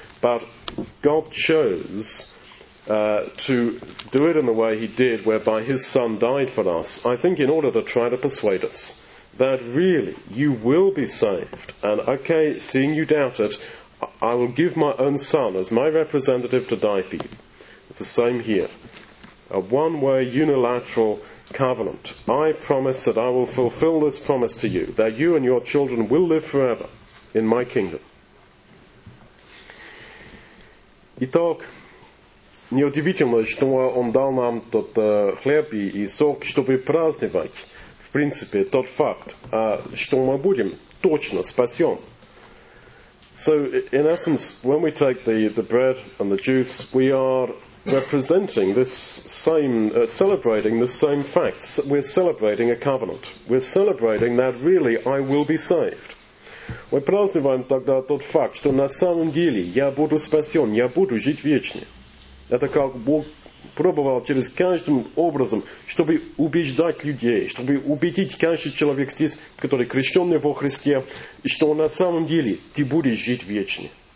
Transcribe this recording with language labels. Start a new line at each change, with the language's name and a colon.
English: But God chose to do it in the way he did, whereby his Son died for us, I think in order to try to persuade us that really you will be saved, and okay, seeing you doubt it, I will give my own Son as my representative to die for you. It's the same here, a one-way unilateral covenant. I promise that I will fulfill this promise to you, that you and your children will live forever in my kingdom.
Russian: Итак, не удивительно, что он дал нам тот хлеб и сок, чтобы праздновать, в принципе, тот факт, что мы будем точно спасен.
English: So, in essence, when we take the bread and the juice, we are representing this same, celebrating the same facts. We're celebrating a covenant. We're celebrating that really I will be saved.
Russian: Мы праздниваем тогда тот факт, что на самом деле я буду спасен, я буду жить вечно. Это как Бог пробовал через каждым образом, чтобы убеждать людей, чтобы убедить каждый человек здесь, который крещенный во Христе, что на самом деле ты будешь жить вечно.